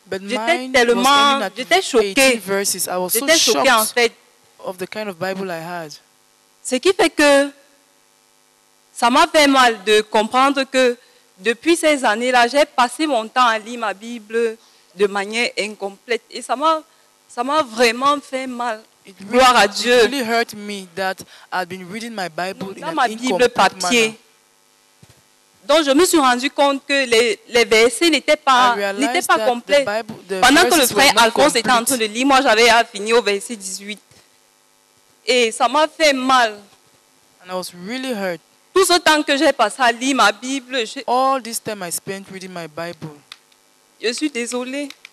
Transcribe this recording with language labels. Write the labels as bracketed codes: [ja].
[fr] J'étais tellement, j'étais choquée. J'étais choquée en fait. [en] Of the kind of Bible I had. [fr] Ce qui fait que ça m'a fait mal de comprendre que depuis ces années-là, j'ai passé mon temps à lire ma Bible de manière incomplète. Et ça m'a vraiment fait mal. Gloire à Dieu. [en] It really hurt me that I've been reading my Bible in an [fr] ma Bible papier. Donc, je me suis rendu compte que les versets n'étaient pas complets. Pendant que le frère Alphonse était en train de lire, moi, j'avais fini au verset 18. Et ça m'a fait mal. [en] And I was really hurt. [fr] Tout ce temps que j'ai passé à lire ma Bible, je suis désolée.